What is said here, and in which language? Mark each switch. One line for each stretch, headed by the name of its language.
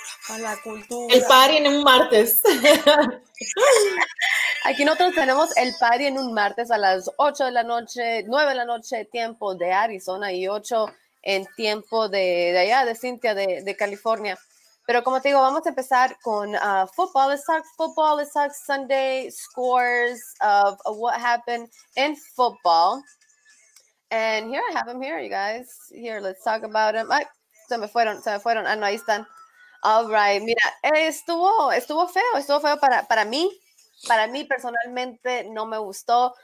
Spanish: A la cultura. El party en un martes. Aquí nosotros tenemos el party en un martes a las 8 de la noche, 9 de la noche, tiempo de Arizona, y 8 en tiempo de allá, de Cintia, de California. Pero como te digo, vamos a empezar con football.
English: Let's talk Sunday scores of what happened in football. And here I have them here, you guys. Here, let's talk about them.
Spanish: Ay, se me fueron. Ah, no, ahí están.
English: All right,
Spanish: mira, estuvo feo para mí personalmente, no me gustó.